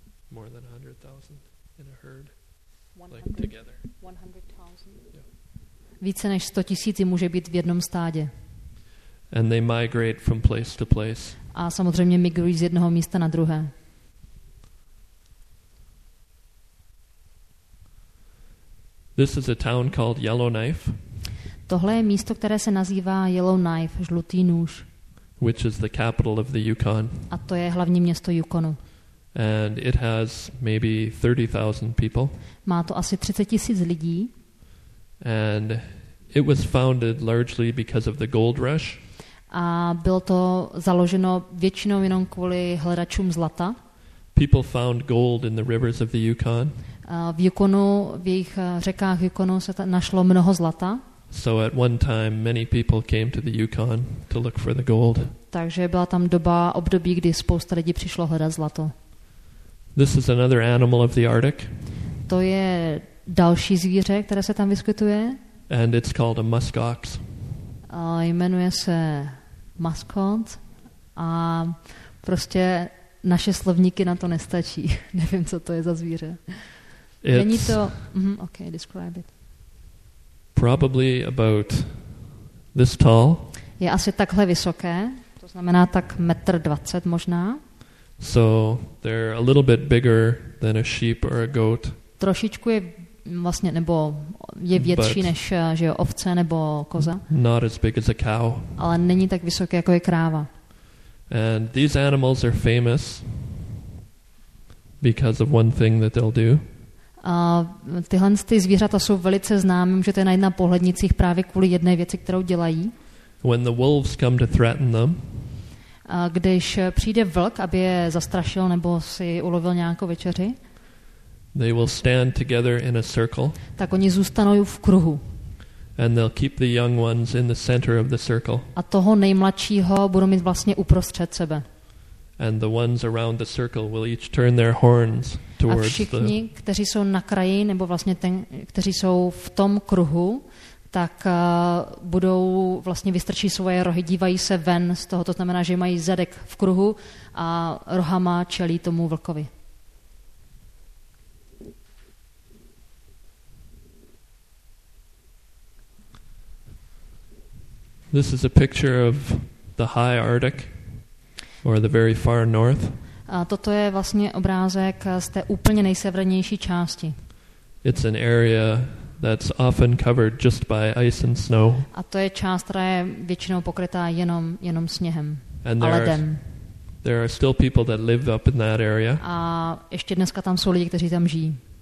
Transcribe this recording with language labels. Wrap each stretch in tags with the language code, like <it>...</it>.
<en>more than 100,000 in a herd, like together. 100,000.</en> <cs>Více než 100,000 může být v jednom stádě.</cs> <en>And they migrate from place to place.</en> <cs>A samozřejmě migrují z jednoho místa na druhé.</cs> <en>This is a town called Yellowknife.</en> <cs>Tohle je místo, které se nazývá Yellowknife, žlutý nůž.</cs> <en>Which is the capital of the Yukon.</en> <cs>A to je hlavní město Yukonu.</cs> <en>And it has maybe 30,000 people.</en> <cs>Má to asi 30,000 lidí.</cs> <en>And it was founded largely because of the gold rush.</en> <cs>A bylo to založeno většinou jenom kvůli hledačům zlata.</cs> <en>People found gold in the rivers of the Yukon.</en> <cs>V Yukonu, v jejich řekách Yukonu se našlo mnoho zlata.</cs> <en>So at one time many people came to the Yukon to look for the gold.</en> <cs>Takže byla tam doba, období, kdy spousta lidí přišlo hledat zlato.</cs> <en>This is another animal of the Arctic.</en> <cs>To je další zvíře, které se tam vyskytuje.</cs> <en>And it's called a muskox.</en> <cs>Jmenuje se muskox. a prostě naše slovníky na to nestačí. Nevím, co to je za zvíře.</cs> <en>It's</en> <cs>není to...</cs> <en>Okay, describe it. Probably about this tall.</en> <cs>Je asi takhle vysoké, to znamená tak 1,20 m možná.</cs> <en>So they're a little bit bigger than a sheep or a goat.</en> <cs>Trošičku je vlastně, nebo je větší než že jo, ovce nebo koza.</cs> <en>Not as big as a cow.</en> <cs>Ale není tak vysoké, jako je kráva.</cs> <en>And these animals are famous because of one thing that they'll do.</en> <cs>A tyhle ty zvířata jsou velice známé, že to je na jedna pohlednicích právě kvůli jedné věci, kterou dělají.</cs> <en>When the wolves come to threaten them.</en> <cs>A když přijde vlk, aby je zastrašil nebo si ulovil nějakou večeři.</cs> <en>They will stand together in a circle.</en> <cs>Tak oni zůstanou v kruhu.</cs> <en>And they'll keep the young ones in the center of the circle.</en> <cs>A toho nejmladšího budou mít vlastně uprostřed sebe.</cs> <en>And the ones around the circle will each turn their horns towards the.</en> <cs>A všichni, kteří jsou na kraji nebo vlastně ten, kteří jsou v tom kruhu, tak budou vlastně vystrčí svoje rohy, dívají se ven z toho, to znamená, že mají zadek v kruhu a rohama čelí tomu vlkovi.</cs> <en>This is a picture of the high Arctic or the very far north.</en> <cs>A toto je vlastně obrázek z té úplně nejsevernější části.</cs> <en>It's an area that's often covered just by ice and snow.</en> <cs>A to je část, která je většinou pokrytá jenom sněhem a ledem.</cs> <en>There are still people that live up in that area.</en> <cs>A ještě dneska tam jsou lidi, kteří tam žijí.</cs>